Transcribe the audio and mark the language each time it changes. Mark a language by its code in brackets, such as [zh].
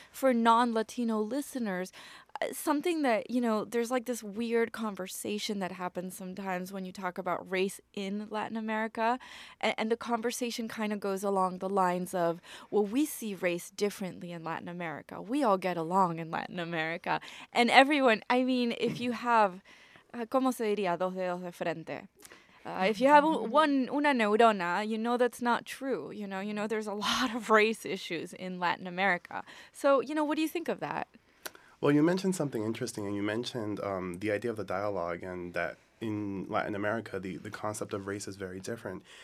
[en] For non-Latino listeners, something that, you know, there's like this weird conversation that happens sometimes when you talk about race in Latin America. And the conversation kind of goes along the lines of, well, we see race differently in Latin America. We all get along in Latin America. And everyone, I mean, if you have... [es] ¿Cómo se diría dos dedos de frente? [en] If you have [es] una neurona, [en] you know that's not true. You know there's a lot of race issues in Latin America. So, you know, what do you think of that? Well, you mentioned something interesting, and you mentioned the idea of the dialogue and that in Latin America, the concept of race is very different.